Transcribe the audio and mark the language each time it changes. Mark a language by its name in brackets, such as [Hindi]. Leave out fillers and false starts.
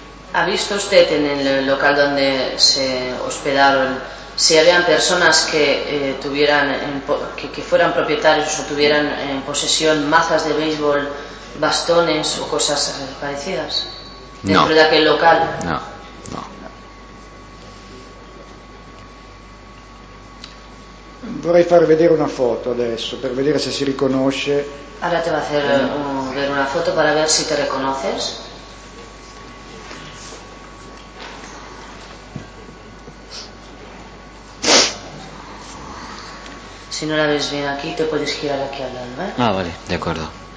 [Italian] Ha visto usted nel locale dove si ospedarono? [Spanish] Si habían personas que tuvieran que fueran propietarios o tuvieran en posesión mazas de béisbol, bastones o cosas parecidas dentro no. de aquel local. No. No. [Italian] Vorrei far vedere una foto adesso per vedere se si riconosce. [Spanish] Ahora te voy a hacer ver una foto para ver si te reconoces. Si no la ves bien aquí, te puedes girar aquí al lado, ¿eh? Ah, vale, de acuerdo.